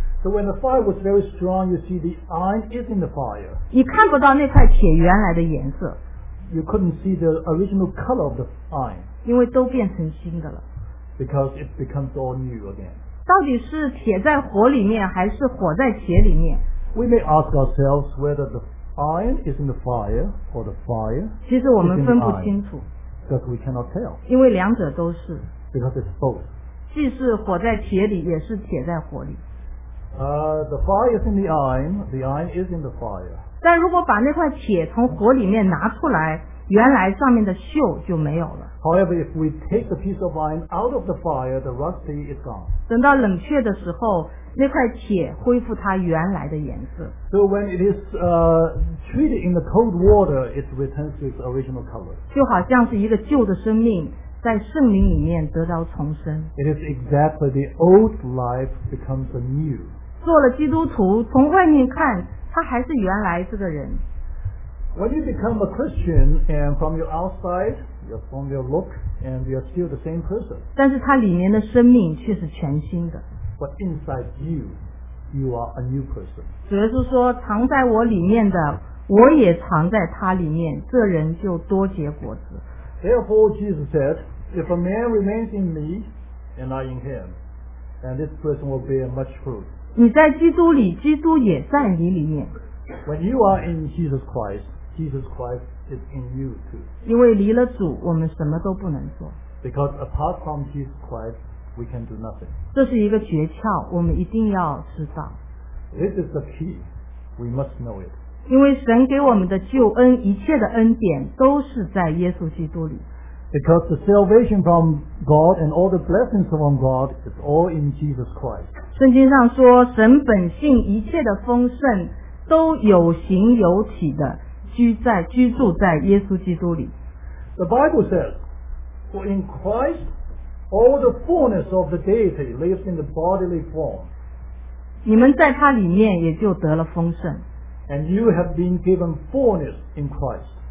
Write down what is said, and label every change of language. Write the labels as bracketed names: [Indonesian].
[English] So when the fire was very strong, you see the iron is in the fire. [Chinese] 你看不到那块铁原来的颜色。 [English] You couldn't see the original color of the iron. [Chinese] 因为都变成新的了。 [English] Because it becomes all new again. [Chinese] 到底是铁在火里面，还是火在铁里面？ [English] We may ask ourselves whether the iron is in the fire or the fire. [Chinese] 其实我们分不清楚。 [English] Because we cannot tell. [Chinese] 因为两者都是。 [English] Because it's both. [Chinese] 既是火在铁里，也是铁在火里。 [English] The fire is in the iron. The iron is in the fire. [Chinese] 但如果把那块铁从火里面拿出来。原来上面的锈就没有了。 [English] However, if we take the piece of iron out of the fire, the rusty is gone. [Chinese] 等到冷却的时候，那块铁恢复它原来的颜色。 [English] So when it is treated in the cold water, it returns to its original color. [Chinese] 就好像是一个旧的生命在圣灵里面得到重生。 [English] It is exactly the old life becomes a new. [Chinese] 做了基督徒，从外面看，他还是原来这个人。 [English] When you become a Christian and from your outside, from your look, and you are still the same person. [Chinese] 但是他里面的生命却是全新的。 [English] But inside you are a new person. [Chinese] 主耶稣说，藏在我里面的，我也藏在他里面，这人就多结果子。 [English] Therefore, Jesus said, if a man remains in me, and I in him, and this person will bear much fruit. [Chinese] 你在基督里，基督也在你里面。 [English] When you are in Jesus Christ, Jesus Christ is in you too. [Chinese] 因为离了主，我们什么都不能做。 [English] Because apart from Jesus Christ, we can do nothing. [Chinese] 这是一个诀窍，我们一定要知道。 [English] This is the key. We must know it. [Chinese] 因为神给我们的救恩，一切的恩典都是在耶稣基督里。 [English] Because the salvation from God and all the blessings from God is all in Jesus Christ. [Chinese] 圣经上说，神本性一切的丰盛。都有形有体的居住在耶稣基督里。 [English] The Bible says, for in Christ all the fullness of the deity lives in the bodily form. [Chinese] 你们在他里面也就得了丰盛。 [English] And you have been given fullness in Christ.